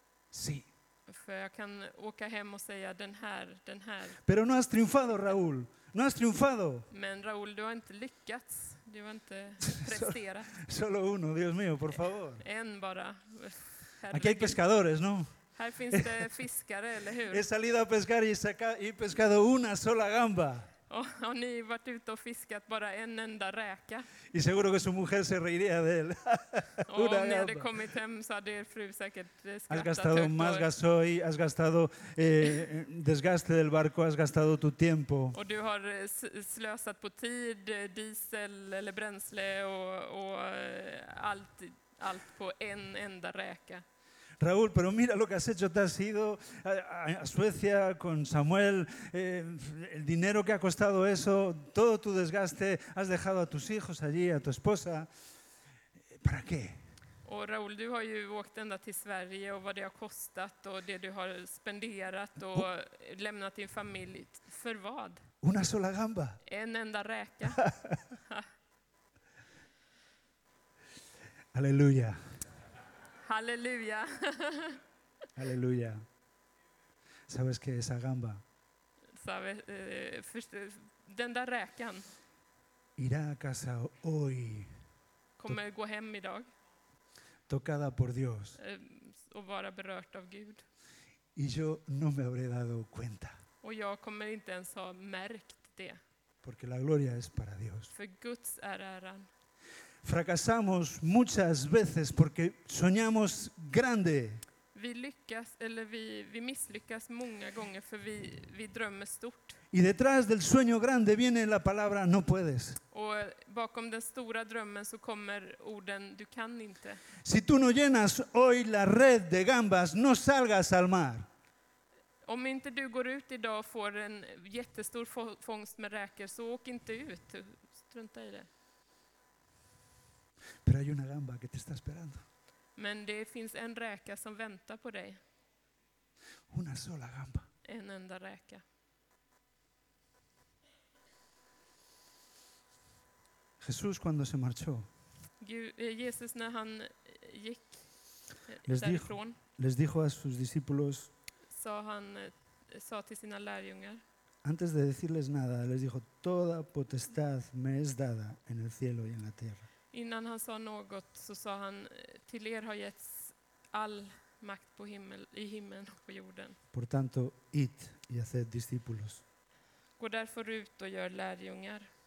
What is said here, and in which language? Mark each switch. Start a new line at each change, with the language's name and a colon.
Spanish: Sí.
Swedish: För jag kan åka hem och säga den här.
Spanish: Pero no has triunfado, Raúl. No has triunfado.
Swedish: Men Raúl, du har inte lyckats. Du har inte presterat.
Spanish: Solo uno, Dios mío, por favor.
Swedish: En bara.
Spanish: Aquí hay pescadores, ¿no?
Swedish: Här finns det fiskare, eller hur?
Spanish: He salido a pescar y he pescado una sola gamba.
Swedish: Har ni varit ute och fiskat bara en enda räka?
Spanish: Y seguro que su mujer se reiría de él. Una gamba.
Swedish: Och ni hade kommit hem så hade er fru säkert skrattat.
Spanish: Has gastado más gasoil, has gastado desgaste del barco, has gastado tu tiempo.
Swedish: Och du har slösat på tid, diesel eller bränsle och allt på en enda räka.
Spanish: Raúl, pero mira lo que has hecho, te has ido a Suecia con Samuel, el dinero que ha costado eso, todo tu desgaste, has dejado a tus hijos allí, a tu esposa. ¿Para qué?
Swedish: Och Raúl, du har ju åkt ända till Sverige och vad det har kostat och det du har spenderat och lämnat din familj för vad?
Spanish: Una sola gamba.
Swedish: En enda räka.
Spanish: Aleluya. Aleluya. Aleluya. ¿Sabes qué es esa gamba?
Swedish: Sabes, den där räkan.
Spanish: Irá a casa hoy.
Swedish: Kommer gå hem idag.
Spanish: Tocada por Dios.
Swedish: Och vara berört av Gud.
Spanish: Y yo no me habré dado cuenta.
Swedish: Och jag kommer inte ens ha märkt det.
Spanish: Porque la gloria es para Dios.
Swedish: För Guds ära är den.
Spanish: Fracasamos muchas veces porque soñamos grande.
Swedish: Vi lyckas eller vi misslyckas många gånger för vi drömmer stort.
Spanish: Y detrás del sueño grande viene la palabra no puedes.
Swedish: Och bakom den stora drömmen så kommer orden du kan inte.
Spanish: Si tú no llenas hoy la red de gambas, no salgas al mar.
Swedish: Om inte du går ut idag och får en jättestor fångst med räkor så åk inte ut. Strunta i det.
Spanish: Pero hay una gamba que te está esperando.
Swedish: Men det finns en räka som väntar på dig.
Spanish: Una sola gamba.
Swedish: En enda räka.
Spanish: Jesús cuando se marchó.
Swedish: Jesus när han gick därifrån.
Spanish: Les dijo a sus discípulos.
Swedish: Sa till sina lärjungar.
Spanish: Antes de decirles nada, les dijo: "Toda potestad me es dada en el cielo y en la tierra."
Swedish: Innan han sa något så sa han till er har getts all makt på himlen och på jorden.
Spanish: Por tanto, id y haced discípulos.
Swedish: Gå därför ut och gör lärjungar.